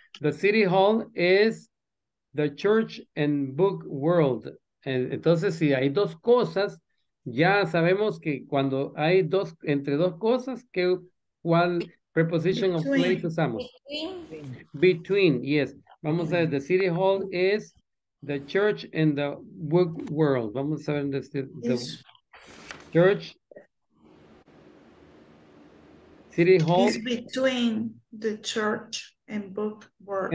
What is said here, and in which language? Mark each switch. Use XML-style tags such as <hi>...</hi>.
<en>The City Hall is the Church and Book World.</en> <es>Entonces, si hay dos cosas, ya sabemos que cuando hay dos, entre dos cosas, ¿cuál preposition of place usamos?</es> <en>Between, yes.</en> <es>Vamos a ver,</es> <en>the City Hall is the church and the book world.</en> <es>Vamos a ver</es> <en>the church. City Hall. It's between the church and book world.</en>